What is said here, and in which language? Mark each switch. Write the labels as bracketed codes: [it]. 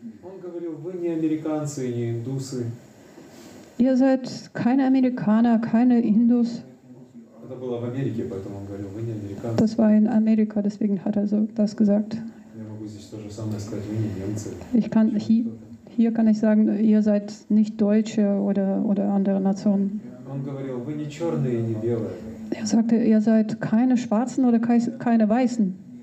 [ru] Он говорил, вы не американцы, не индусы. [de] Ihr seid keine Amerikaner, keine Hindus. [ru] Это было в Америке, поэтому он говорил, вы не американцы. [de] Das war in Amerika, deswegen hat er so das gesagt. [ru] Я могу здесь то же самое сказать, вы не немцы. [de] Ich kann hier kann ich sagen, ihr seid nicht Deutsche oder andere Nationen. [ru] Он говорил, вы не черные, не белые. [de] Er sagte, ihr seid keine Schwarzen oder keine Weißen.